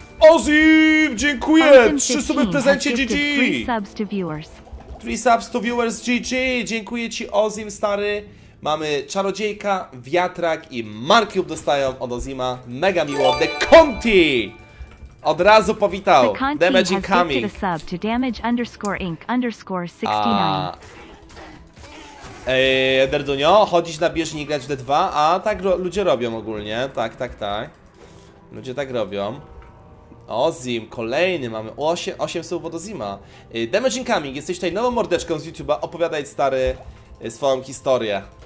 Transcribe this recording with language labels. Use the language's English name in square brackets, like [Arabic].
[Polish] Ozim, dziękuję! 3 suby w prezencie, GG! [English] 3 subs to viewers. 3 subs to viewers, GG! [Polish] Dziękuję ci, Ozim, stary. Mamy czarodziejka, wiatrak i Markiub dostają od Ozima. Mega miło, The Conti! Od razu powitał. [English] The Conti has gifted a sub to damage underscore ink underscore 69. [Polish] Derdunio, chodzić na bieżni i grać w D2? A tak ludzie robią ogólnie, tak, tak, tak. Ludzie tak robią. Ozim, kolejny, mamy 8 słów od Ozima. Damage Incoming, jesteś tutaj nową mordeczką z YouTube'a, opowiadaj stary swoją historię.